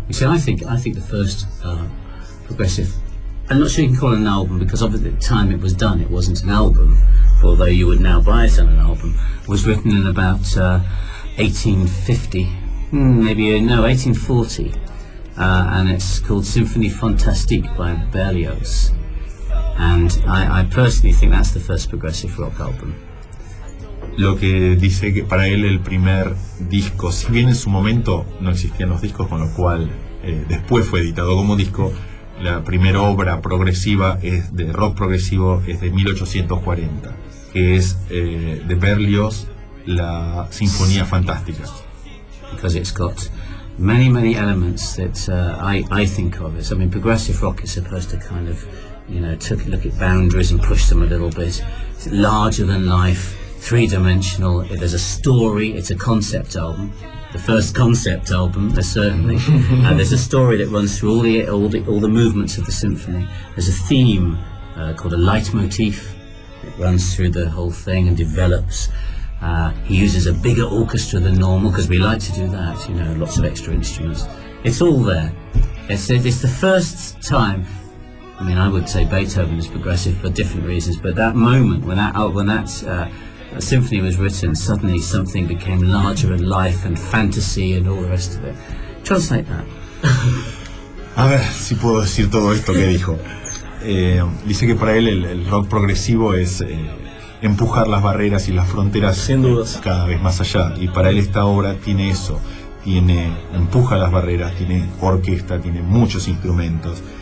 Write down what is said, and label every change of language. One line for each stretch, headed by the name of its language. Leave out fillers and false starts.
English: You see, I think the first progressive, I'm not sure you can call it an album, because of the time it was done, it wasn't an album, although you would now buy it on an album, was written in about 1850, maybe, 1840, and it's called Symphonie Fantastique by Berlioz. And I personally think that's the first progressive rock album.
Spanish: Lo que dice que para él el primer disco, si bien en su momento no existían los discos, con lo cual después fue editado como disco, la primera obra progresiva es de rock progresivo es de 1840, que es de Berlioz, la Sinfonía Fantástica.
English: Because it's got many, many elements that I think of it. I mean, progressive rock is supposed to kind of, you know, took a look at boundaries and pushed them a little bit. It's larger than life. Three-dimensional, there's a story, it's a concept album, the first concept album, certainly, and there's a story that runs through all the movements of the symphony. There's a theme called a leitmotif that runs through the whole thing and develops. He uses a bigger orchestra than normal, because we like to do that, you know, lots of extra instruments. It's all there. It's the first time. I mean, I would say Beethoven is progressive for different reasons, but that moment when that symphony was written, suddenly something became larger in life and fantasy and all the rest of it. Translate that.
Spanish: A ver si puedo decir todo esto que dijo. Dice que para él el rock progresivo es empujar las barreras y las fronteras, sin dudas, cada vez más allá. Y para él esta obra tiene eso. Tiene, empuja las barreras, tiene orquesta, tiene muchos instrumentos.